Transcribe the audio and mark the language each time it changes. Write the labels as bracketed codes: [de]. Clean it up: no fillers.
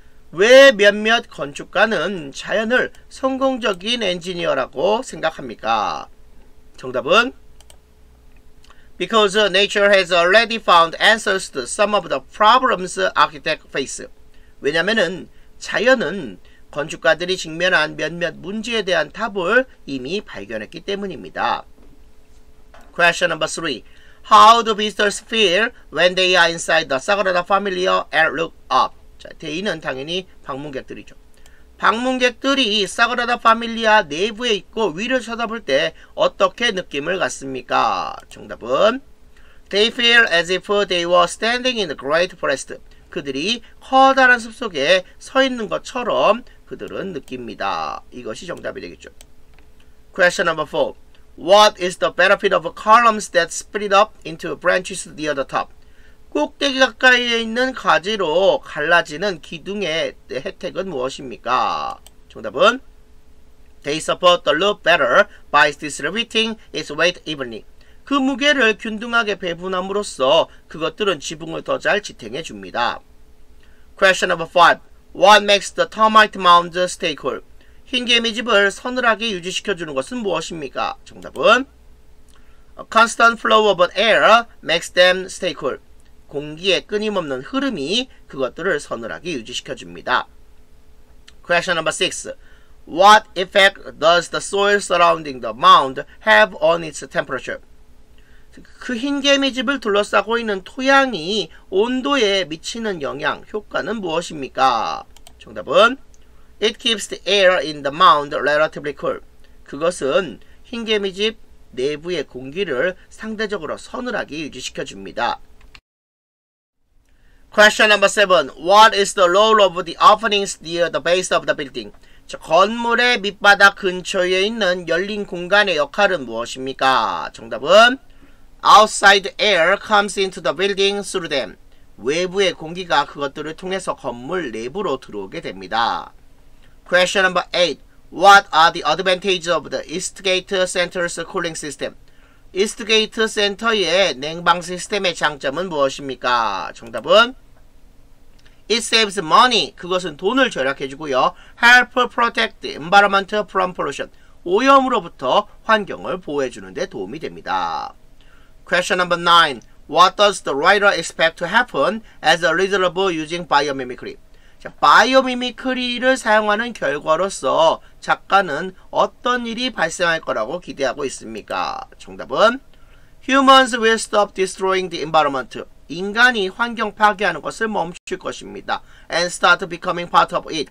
[ko] 왜 몇몇 건축가는 자연을 성공적인 엔지니어라고 생각합니까? 정답은 [en] Because nature has already found answers to some of the problems architects face. [ko] 왜냐면은 자연은 건축가들이 직면한 몇몇 문제에 대한 답을 이미 발견했기 때문입니다. [en] Question number 3. How do visitors feel when they are inside the Sagrada Familia and look up? [ko] 자, 대인은 당연히 방문객들이죠. 방문객들이 사그라다 파밀리아 내부에 있고 위를 쳐다볼 때 어떻게 느낌을 갖습니까? 정답은 [en] They feel as if they were standing in a great forest. [ko] 그들이 커다란 숲 속에 서 있는 것처럼 그들은 느낍니다. 이것이 정답이 되겠죠. [en] Question number 4. What is the benefit of columns that split up into branches near the top? [ko] 꼭대기 가까이에 있는 가지로 갈라지는 기둥의 혜택은 무엇입니까? 정답은 [en] They support the loop better by distributing its weight evenly. [ko] 그 무게를 균등하게 배분함으로써 그것들은 지붕을 더 잘 지탱해 줍니다. [en] Question number 5. What makes the termite mound stay cool? [ko] 흰개미 집을 서늘하게 유지시켜주는 것은 무엇입니까? 정답은 [en] A constant flow of air makes them stay cool. [ko] 공기의 끊임없는 흐름이 그것들을 서늘하게 유지시켜줍니다. [en] Question number 6. What effect does the soil surrounding the mound have on its temperature? [ko] 그 흰개미 집을 둘러싸고 있는 토양이 온도에 미치는 영향, 효과는 무엇입니까? 정답은 [en] It keeps the air in the mound relatively cool. [ko] 그것은 흰개미 집 내부의 공기를 상대적으로 서늘하게 유지시켜줍니다. [en] Question number 7. What is the role of the openings near the base of the building? [ko] 자, 건물의 밑바닥 근처에 있는 열린 공간의 역할은 무엇입니까? 정답은 [en] Outside air comes into the building through them. [ko] 외부의 공기가 그것들을 통해서 건물 내부로 들어오게 됩니다. [en] Question number 8. What are the advantages of the East Gate Center's cooling system? [ko] 이스트게이트 센터의 냉방 시스템의 장점은 무엇입니까? 정답은 [en] It saves money. [ko] 그것은 돈을 절약해주고요. [en] Help protect the environment from pollution. [ko] 오염으로부터 환경을 보호해주는 데 도움이 됩니다. [en] Question number 9. What does the writer expect to happen as a result of using biomimicry? [ko] 자, 바이오미미크리를 사용하는 결과로서 작가는 어떤 일이 발생할 거라고 기대하고 있습니까? 정답은 [en] Humans will stop destroying the environment. [ko] 인간이 환경 파괴하는 것을 멈출 것입니다. [en] And start becoming part of it.